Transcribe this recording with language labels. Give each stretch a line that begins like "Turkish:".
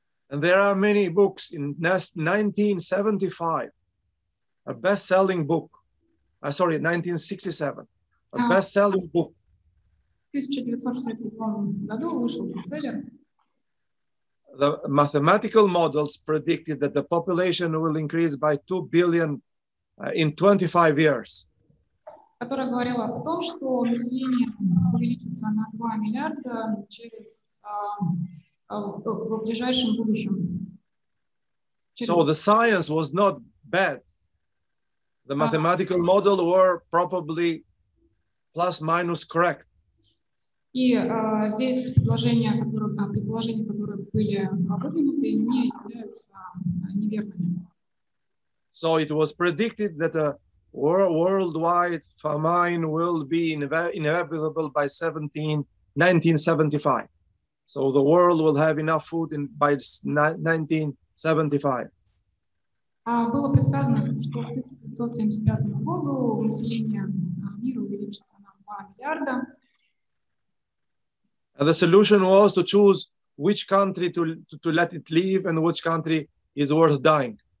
English: And there are many books in 1975, a best-selling book, 1967, a best-selling book.
Russian: В 1967 году вышел бестселлер.
English: The mathematical models predicted that the population will increase by 2 billion in 25 years.
Russian: Которая говорила о том, что население увеличится на 2 миллиарда через в ближайшем будущем.
English: So the science was not bad. The mathematical model were probably plus minus correct.
Russian: И здесь предположения, которые были выдвинуты, не являются неверными.
English: So it was predicted that a worldwide famine will be inevitable by 1975. So the world will have enough food by 1975.
Russian: Было предсказано, что в 1975 году население мира увеличится на 2 миллиарда.
English: And the solution was to choose which country to let it leave and which country is worth dying.